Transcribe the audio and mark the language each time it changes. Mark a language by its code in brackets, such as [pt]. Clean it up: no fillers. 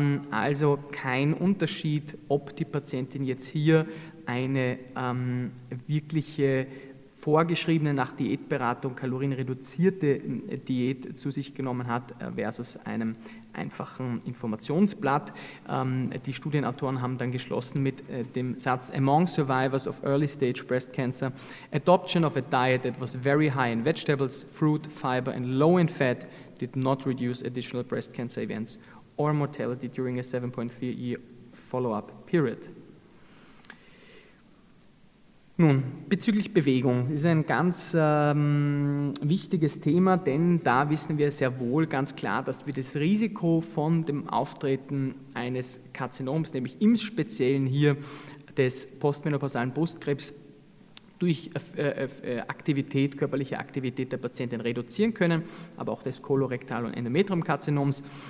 [de] Also kein Unterschied, ob die Patientin jetzt hier eine wirkliche vorgeschriebene nach Diätberatung kalorienreduzierte Diät zu sich genommen hat versus einem einfachen Informationsblatt. Die Studienautoren haben dann geschlossen mit dem Satz: [en] Among survivors of early stage breast cancer, adoption of a diet that was very high in vegetables, fruit, fiber and low in fat did not reduce additional breast cancer events or mortality during a 7.3-year follow-up period. [de] Nun, bezüglich Bewegung, das ist ein ganz wichtiges Thema, denn da wissen wir sehr wohl ganz klar, dass wir das Risiko von dem Auftreten eines Karzinoms, nämlich im Speziellen hier des postmenopausalen Brustkrebs, durch Aktivität, körperliche Aktivität der Patientin reduzieren können, aber auch des Kolorektal- und Endometriumkarzinoms.